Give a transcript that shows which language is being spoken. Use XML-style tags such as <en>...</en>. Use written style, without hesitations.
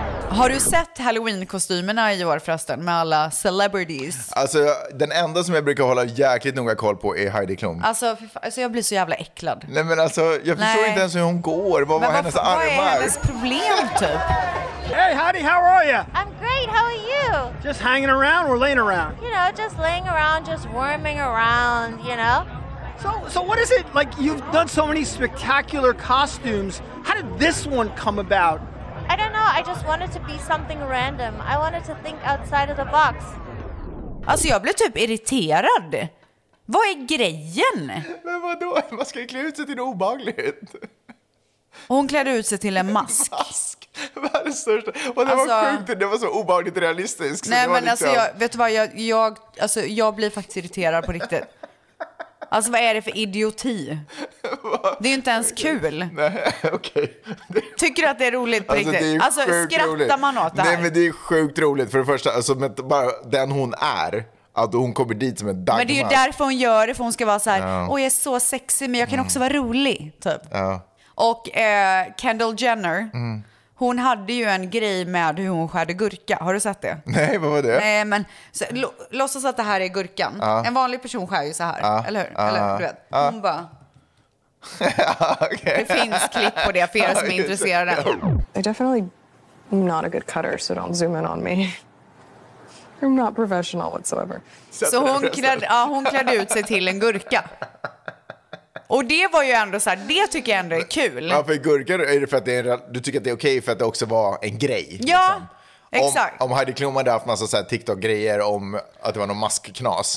<sv>Har du sett Halloween-kostymerna i år förresten med alla celebrities? Alltså den enda som jag brukar hålla jäkligt noga koll på är Heidi Klum. Alltså jag blir så jävla äcklad. Nej men alltså jag förstår inte ens hur hon går. Vad var hennes armar? Vad är hennes problem typ?</sv> <en>Hey Heidi, how are you? I'm great, how are you? Just hanging around or laying around? You know, just laying around, just worming around, you know? So what is it? Like you've done so many spectacular costumes. How did this one come about? I don't know, I just wanted to be something random. I wanted to think outside of the box.</en> <sv>Alltså jag blev typ irriterad. Vad är grejen? Men vadå, man ska ju klä ut sig till något obehagligt. Hon klädde ut sig till en mask. Världens största. Och det alltså, var sjukt, det var så obehagligt realistiskt. Nej men liksom... alltså jag, vet du vad, jag blir faktiskt irriterad på riktigt. Alltså vad är det för idioti? Det är ju inte ens kul. Nej, okej. Tycker du att det är roligt på riktigt? Alltså skrattar roligt. Man åt det här? Nej men det är sjukt roligt för det första. Alltså med bara den hon är. Att hon kommer dit som en dagmask. Men det är ju därför hon gör det. För hon ska vara så här. Åh, jag är så sexy men jag kan också vara rolig. Typ. Ja. Och Kendall Jenner. Hon hade ju en grej med hur hon skärde gurka. Har du sett det? Nej, vad var det? Nej, men så, låtsas att det här är gurkan. Ah. En vanlig person skär ju så här, eller hur? Eller, du vet. Hon bara...</sv> <en>okay.</en> <sv>Det finns klipp på det för er som är intresserade.</sv> <en>I'm definitely not a good cutter, so don't zoom in on me. I'm not professional whatsoever.</en> <sv>Så hon klädde ut sig till en gurka. Och det var ju ändå så här, det tycker jag ändå är kul. Ja, för gurkor är det för att det är, du tycker att det är okej för att det också var en grej. Ja, liksom. Exakt. Om Heidi Klum hade haft massa så här TikTok-grejer om att det var någon maskknas.</sv>